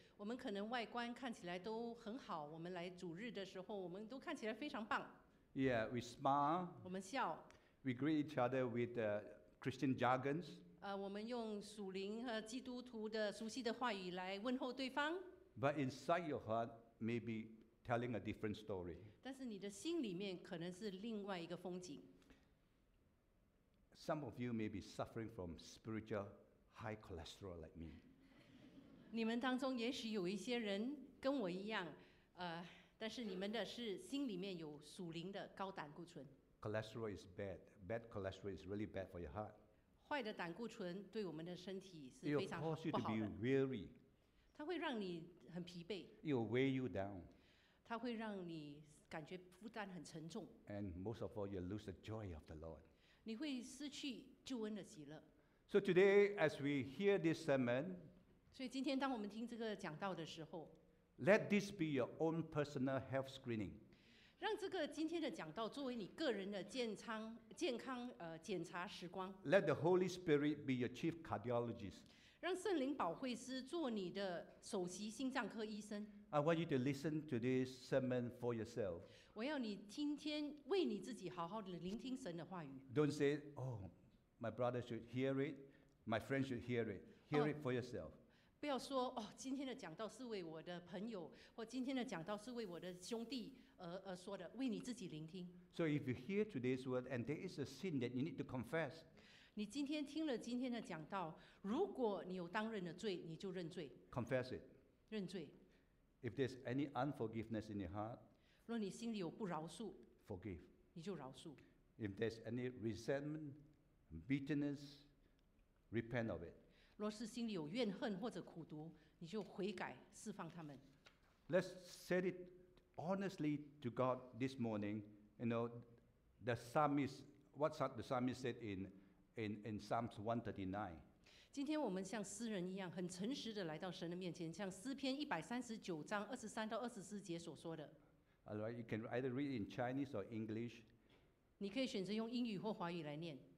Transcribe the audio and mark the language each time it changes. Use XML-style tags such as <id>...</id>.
<zh>我们可能外观看起来都很好，我们来主日的时候，我们都看起来非常棒。</zh> <en>Yeah, we smile.</en> <zh>我们笑。</zh> <en>We greet each other with Christian jargons.</en> <zh>我们用属灵和基督徒的熟悉的话语来问候对方。</zh> <en>But inside your heart may be telling a different story.</en> <zh>但是你的心里面可能是另外一个风景。</zh> <en>Some of you may be suffering from spiritual high cholesterol like me.</en> <zh>你们当中也许有一些人跟我一样，但是你们的是心里面有属灵的高胆固醇。</zh> <en>Cholesterol is bad. Bad cholesterol is really bad for your heart.</en> <zh>坏的胆固醇对我们的身体是非常不好的。</zh> <en>It will cause you to be weary.</en> <zh>它会让你很疲惫。</zh> <en>It will weigh you down.</en> <zh>它会让你感觉负担很沉重。</zh> <en>And most of all, you lose the joy of the Lord.</en> <zh>你会失去救恩的喜乐。</zh> <en>So today, as we hear this sermon,</en> <zh>所以今天当我们听这个讲道的时候，</zh> <en>let this be your own personal health screening.</en> <zh>让这个今天的讲道作为你个人的健康检查时光。</zh> <en>Let the Holy Spirit be your chief cardiologist.</en> <zh>让圣灵保惠师做你的首席心脏科医生。</zh> <en>I want you to listen to this sermon for yourself.</en> <zh>我要你今天为你自己好好的聆听神的话语。</zh> <en>Don't say, "Oh, my brother should hear it, my friend should hear it." Hear it for yourself.</en> <zh>不要说哦，今天的讲道是为我的朋友，或今天的讲道是为我的兄弟。说的为你自己聆听。</zh> <en>So if you hear today's word and there is a sin that you need to confess,</en> <zh>你今天听了今天的讲道，如果你有当任的罪，你就认罪。</zh> <en>Confess it.</en> <zh>认罪。</zh> <en>If there's any unforgiveness in your heart,</en> <zh>若你心里有不饶恕</zh> <en>，forgive.</en> <zh>你就饶恕。</zh> <en>If there's any resentment, bitterness, repent of it.</en> <zh>若是心里有怨恨或者苦毒，你就悔改，释放他们。</zh> <en>Let's set it. Honestly to God this morning, you know, the psalmist, what the psalmist said in Psalms 139.</en> <zh>今天我们像诗人一样，很诚实的来到神的面前，像诗篇139章23到24节所说的。</zh> <en>All right, you can either read in Chinese or English.</en> <zh>你可以选择用英语或华语来念。</zh>